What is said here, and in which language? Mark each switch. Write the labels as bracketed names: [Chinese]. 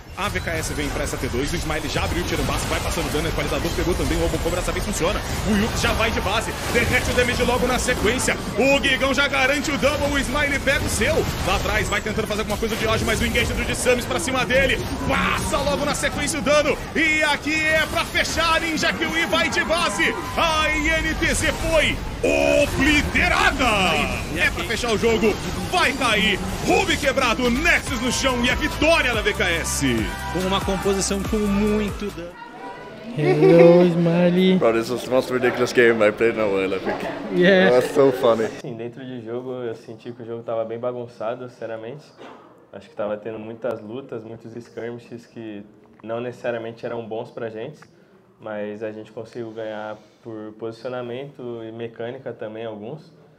[Portuguese] A VKS vem pra essa T2, o Smiley já abriu o tiro base, vai passando dano, o equalizador pegou também o Robo Cobra, essa vez funciona, o Yux já vai de base, derrete o damage logo na sequência, o Gigão já garante o double, o Smiley pega o seu, lá atrás vai tentando fazer alguma coisa de Oji, mas o engage do Dissamis pra cima dele, passa logo na sequência o dano, e aqui é pra fechar, Ninja Queen vai de base, a INTZ foi obliterada! É pra fechar o jogo, vai cair, Ruby quebrado, Nexus no chão e a vitória da VKS! Com uma composição com muito dano. [English] Hello, Smiley. Bro, this was the most ridiculous game I played in a while, epic. Yeah. That was so funny. [Portuguese] Sim, dentro de jogo, eu senti que o jogo tava bem bagunçado, sinceramente. Acho que tava tendo muitas lutas, muitos skirmishes que não necessariamente eram bons pra gente. Mas a gente conseguiu ganhar por posicionamento e mecânica também, alguns.